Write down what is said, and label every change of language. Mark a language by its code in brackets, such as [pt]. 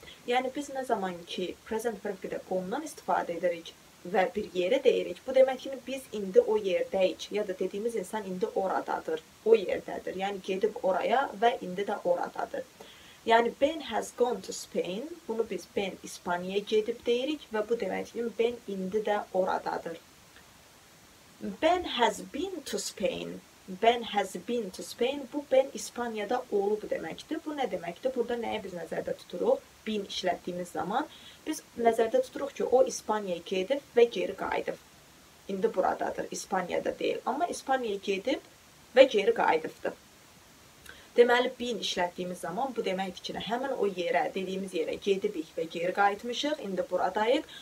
[az] Yəni biz nə zaman ki present perfect-də gone-dan istifadə edirik və bir yerə deyirik, bu deməkdir ki, biz indi o yerdəyik ya da dediyimiz insan indi oradadır, o yerdədir. Yəni gedib oraya və indi də oradadır. Yəni, [en] Ben has gone to Spain, [az] bunu biz Ben İspaniyaya gedib deyirik və bu deməkdir ki, Ben indi də oradadır. [en] Ben has been to Spain, Ben has been to Spain, [az] bu Ben İspaniyada olub deməkdir. Bu nə deməkdir? Burada nəyə biz nəzərdə tuturuq? Been işlətdiyimiz zaman biz nəzərdə tuturuq ki, o İspaniyaya gedib və geri qayıdıb. İndi buradadır, İspaniyada deyil, amma İspaniyaya gedib və geri qayıdıbdır. Deməli, been işlətdiyimiz zaman bu deməkdir ki, həmin o yerə, dediyimiz yerə gedibik və geri qayıtmışıq, indi buradayıq.